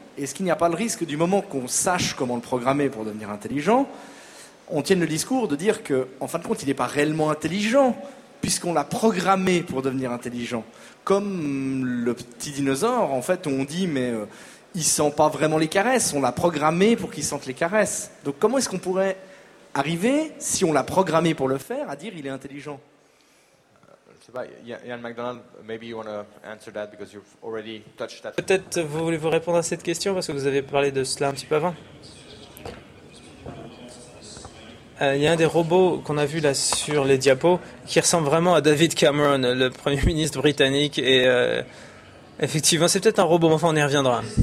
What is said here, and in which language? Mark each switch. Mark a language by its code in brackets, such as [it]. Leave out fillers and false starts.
[fr] Est-ce qu'il n'y a pas le risque du moment qu'on sache comment le programmer pour devenir intelligent, on tienne le discours de dire que, en fin de compte, il n'est pas réellement intelligent, puisqu'on l'a programmé pour devenir intelligent. Comme le petit dinosaure, en fait, on dit, mais il ne sent pas vraiment les caresses, on l'a programmé pour qu'il sente les caresses. Donc comment est-ce qu'on pourrait arriver, si on l'a programmé pour le faire, à dire il est intelligent? Je ne sais pas, [en] Ian MacDonald, maybe you want to answer that, because you've already touched that. [fr] Peut-être vous voulez vous répondre à cette question, parce que vous avez parlé de cela un petit peu avant. Il y a un des robots qu'on a vu là sur les diapos qui ressemble vraiment à David Cameron, le premier ministre britannique. Et effectivement, c'est peut-être un robot, mais enfin, on y reviendra.